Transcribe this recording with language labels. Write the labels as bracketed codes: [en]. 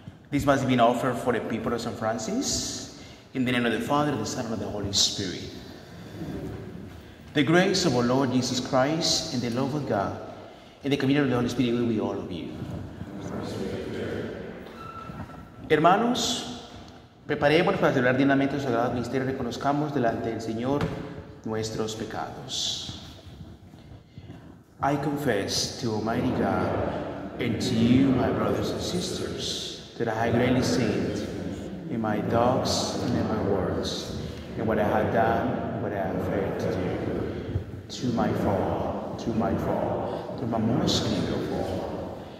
[en] This must have been offered for the people of St. Francis. In the name of the Father, the Son, and the Holy Spirit. The grace of our Lord Jesus Christ, and the love of God, and the communion of the Holy Spirit will be all of you. [es] Hermanos, preparemos para celebrar dignamente el sagrado misterio y reconozcamos delante del Señor nuestros pecados. [en] I confess to Almighty God, and to you, my brothers and sisters, that I have greatly sinned in my thoughts and in my words, in what I have done and what I have failed to do. To my fault, to my most grievous fault.